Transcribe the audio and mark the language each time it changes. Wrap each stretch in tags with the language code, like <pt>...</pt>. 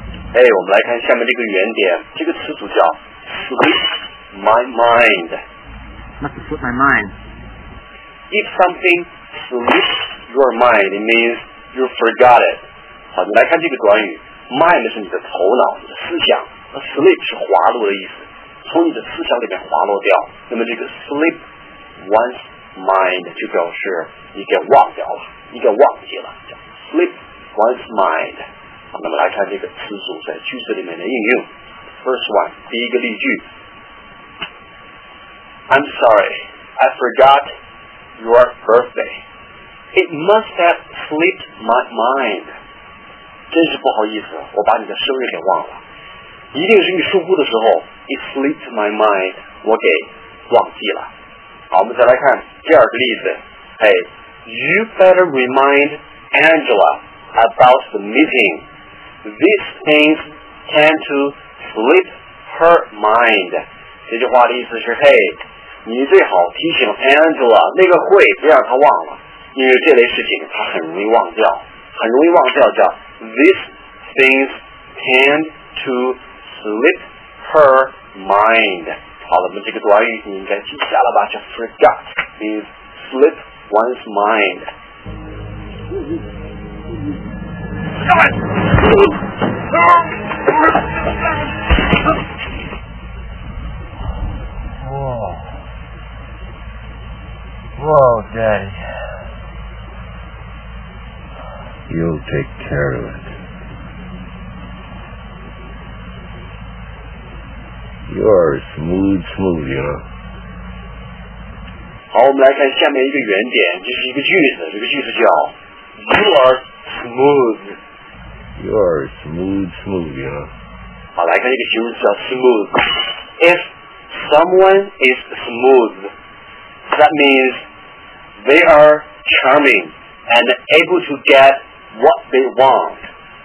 <zh>Hey, 我们来看下面这个原点，这个词组叫</zh> <en>slip my mind. Must have slipped my mind. If something slips your mind, it means you forgot it.</en> <zh>好，我们来看这个短语 ，mind 是你的头脑，你的思想。那 slip 是滑落的意思，从你的思想里面滑落掉。那么这个</zh> <en>slip one's mind</en> <zh>就表示你给忘掉了，你给忘记了，叫 slip one's mind。好，那么来看这个词组在句子里面的应用。</zh> <en>First one，</en> <zh>第一个例句。</zh> <en>I'm sorry, I forgot your birthday. It must have slipped my mind.</en> <zh>真是不好意思，我把你的生日给忘了。一定是你疏忽的时候 ，</zh> <en>it slipped my mind，</en> <zh>我给忘记了。好，我们再来看第二个例子。</zh> <en>Hey, you better remind Angela about the meeting. These things tend to slip her mind.</en> <zh>这句话的意思是，嘿，你最好提醒 Angela 那个会，别让她忘了，因为这类事情她很容易忘掉，很容易忘掉。</zh> <en>叫 These things tend to slip her mind.</en> <zh>好了，我们这个短语你应该记下了吧？</zh> <en>叫 forgot means slip one's mind. Whoa. Whoa, Daddy. You'll take care of it. You are smooth, you know.</en> <zh>好，我们来看下面一个原点，这是一个句子，这个句子叫</zh> <en>You are smooth. You are smooth, you know.</en> <zh>好，来看一个形容词叫 smooth.</zh> <en>If someone is smooth, that means they are charming and able to get what they want.</en>